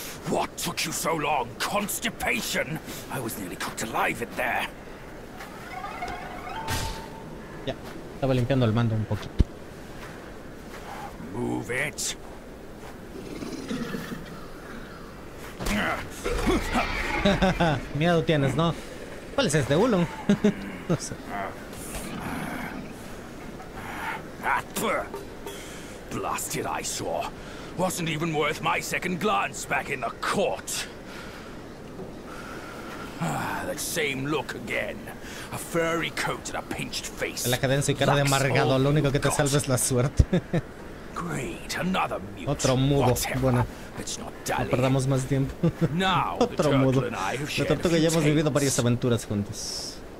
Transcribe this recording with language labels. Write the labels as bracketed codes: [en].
[en] What took you so long? Constipation. I was nearly cooked alive in there. [es] Ya, estaba limpiando el mando un poquito. [en] Move it. [es] Miedo tienes, ¿no? ¿Cuál es este, Ulon? No sé. [en] Blasted eyesore. Wasn't even worth my second glance back in the court. That same look again. A furry coat and a pinched face. [es] La cadencia y cara de amargado, lo único que te salva es la suerte. [en] Great, another mute. [es] Otro mudo. Bueno, no perdamos más tiempo. Otro mudo. Me tanto que ya hemos vivido varias aventuras juntos.